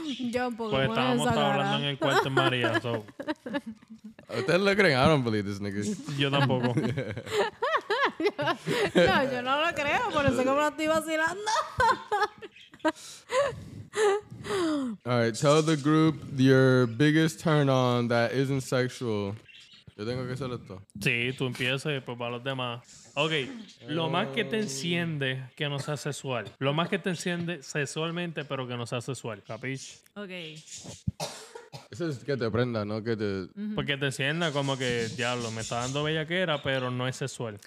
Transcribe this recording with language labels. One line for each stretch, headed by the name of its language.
Spanish: Yo un poco. Pues estábamos hablando en el cuarto de María, so. Ustedes lo creen,
English: I don't believe this nigga.
Spanish: Yo tampoco. No, yo no lo creo, por eso que me lo estoy vacilando.
English: Alright, tell the group your biggest turn on that isn't sexual.
Spanish: Yo tengo que hacer esto. Sí, tú empiezas y después para los demás. Ok, lo más que te enciende que no sea sexual. Lo más que te enciende sexualmente, pero que no sea sexual. ¿Capish? Ok. Eso es que te prenda, ¿no? Que te... Uh-huh. Porque te sienta como que, diablo, me está dando bellaquera, pero no es sexual.